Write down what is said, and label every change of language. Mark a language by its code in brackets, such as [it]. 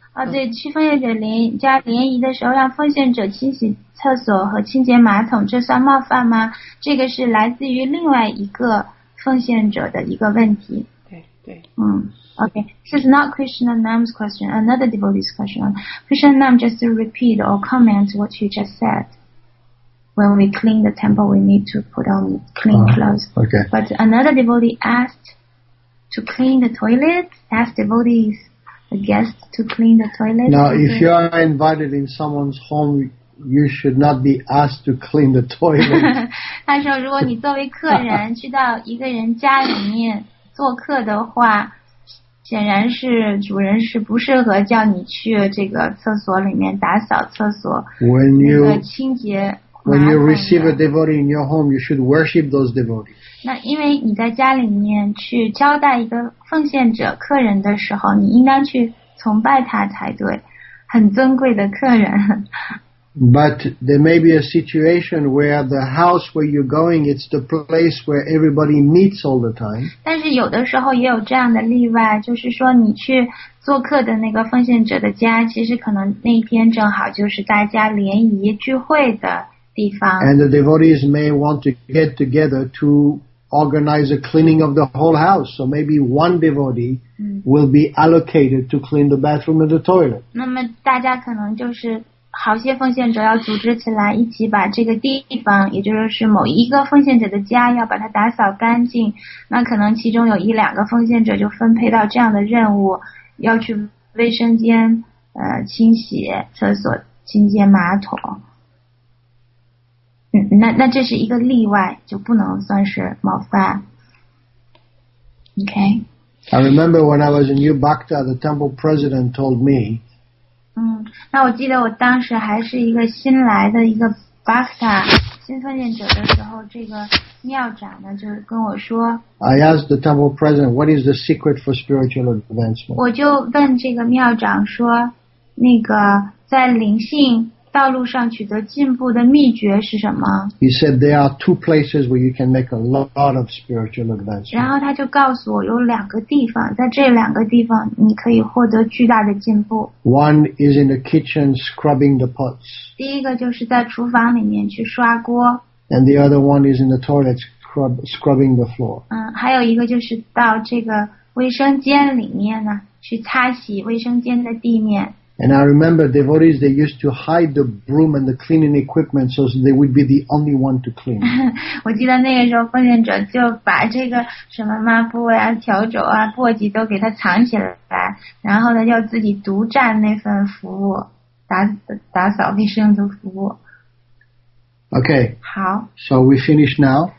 [zh] 对，去奉献者家联谊的时候让奉献者清洗厕所和清洁马桶，这算冒犯吗？这个是来自于另外一个奉献者的一个问题。 [en] Okay, this is not Krishna Nam's question, another devotee's question. Krishna Nam, just to repeat or comment what you just said. When we clean the temple, we need to put on clean clothes. Okay. But another devotee asked to clean the toilet, asked devotees, the guests to clean the toilet. Now, if you are invited in someone's home, you should not be asked to clean the toilet. [zh] 他说如果你作为客人去到一个人家里面做客的话，显然是主人是不适合叫你去这个厕所里面打扫厕所，清洁。 [en] When you receive a devotee in your home, you should worship those devotees. [zh] 那因为你在家里面去招待一个奉献者客人的时候，你应当去崇拜他才对，很尊贵的客人。 [en] But there may be a situation where the house where you're going, it's the place where everybody meets all the time. [zh] 但是有的时候也有这样的例外，就是说你去做客的那个奉献者的家，其实可能那天正好就是大家联谊聚会的地方。 [en] And the devotees may want to get together to organize a cleaning of the whole house. So maybe one devotee will be allocated to clean the bathroom and the toilet. [zh] 那么大家可能就是好些奉献者要组织起来一起把这个地方也就是某一个奉献者的家要把它打扫干净那可能其中有一两个奉献者就分配到这样的任务要去卫生间清洗厕所清洁马桶嗯，那这是一个例外就不能算是冒犯 OK [en] I remember when I was in New Bhakta the temple president told me [zh] 那我记得我当时还是一个新来的一个 Bhakta 新奉献者的时候这个庙长呢就跟我说 [en] I asked the temple president what is the secret for spiritual advancement [zh] 我就问这个庙长说那个在灵性道路上取得进步的秘诀是什么 [en] He said there are two places where you can make a lot of spiritual advancement [zh] 然后他就告诉我有两个地方在这两个地方你可以获得巨大的进步 [en] One is in the kitchen scrubbing the pots [zh] 第一个就是在厨房里面去刷锅 [en] And the other one is in the toilet scrubbing the floor [zh] 还有一个就是到这个卫生间里面呢去擦洗卫生间的地面 [en] And I remember devotees, they used to hide the broom and the cleaning equipment so they would be the only one to clean. [zh] 我记得那个时候奉献者就把这个什么抹布啊、笤帚啊、簸箕都给他藏起来然后呢要自己独占那份服务打扫卫生的服务。 [en] Okay. [zh] 好。 [en] So we finish now.